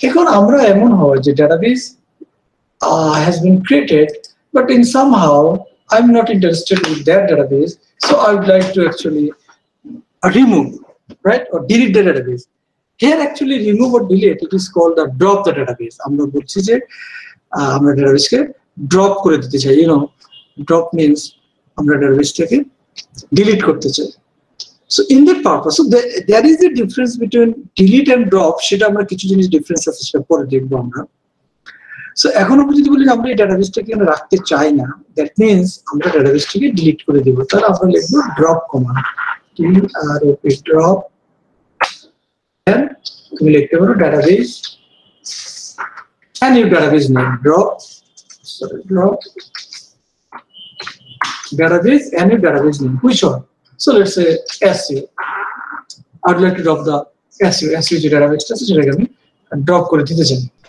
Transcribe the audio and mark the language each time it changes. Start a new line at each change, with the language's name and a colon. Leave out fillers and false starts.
English: Now we have the database has been created, but in somehow I'm not interested with that database. So I would like to actually remove, right, or delete the database. Here actually remove or delete, it is called the drop the database.
Bangla: আমরা বলছি যে আমরা ডেটাবেসকে drop করে দিতে চাই. You know, drop means আমরা ডেটাবেসটাকে delete করতে চাই.
English: So in that purpose, so there is a difference between delete and drop.
Bangla: সেটা আমরা কিছু জিনিস difference আছে সেটা পরে দেখবো আমরা. So, এখন আমরা যদি বলি আমরা এই ডেটাবেসটাকে আমরা রাখতে চাই না,
English: that means
Bangla: আমরা ডেটাবেসটাকে ডিলিট করে দিব, তাহলে আমরা লিখব ড্রপ কমান্ড, drop, ড্রপ, তুমি লিখতে পারো database, and your database name, drop, sorry, drop, database, and your database name,
English: which one? So, let's say SU, I'd like to drop the SU, SU
Bangla: যে ডেটাবেসটা আছে সেটাকে আমি ড্রপ করে দিতে চাই.